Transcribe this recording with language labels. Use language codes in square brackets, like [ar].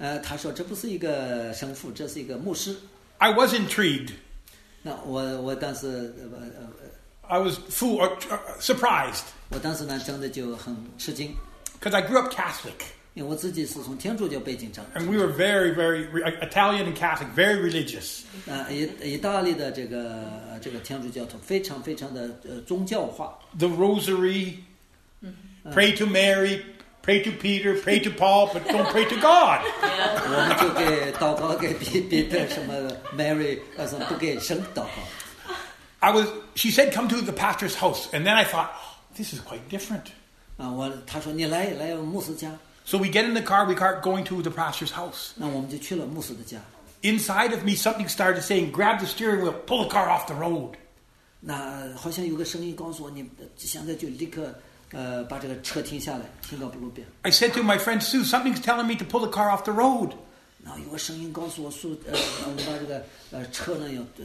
[zh] 他说这不是一个神父，这是一个牧师。 [en] I was intrigued. [zh] 那我当时 [en] I was surprised. [zh] 我当时呢真的就很吃惊。 [en] Because I grew up Catholic. [zh] 因为我自己是从天主教背景长。 [en] And we were very, very Italian and Catholic, very religious. [zh] 意大利的这个天主教徒非常非常的宗教化。 [en] The rosary, pray to Mary, pray to Peter, pray to Paul, but don't pray to God. [zh] 我们就给祷告给别的什么 Mary, 不给神祷告。 [en] She said, come to the pastor's house. And then I thought, this is quite different. [zh] 他说你来牧师家。 [en] So we get in the car, we start going to the pastor's house. [zh] 那我们就去了牧师的家。 [en] Inside of me, something started saying, grab the steering wheel, pull the car off the road. [zh] 那好像有个声音告诉我，你现在就立刻把这个车停下来，停到路边。 [en] I said to my friend Sue, something's telling me to pull the car off the road. [zh] 那有个声音告诉我，Sue, 我们把这个车呢要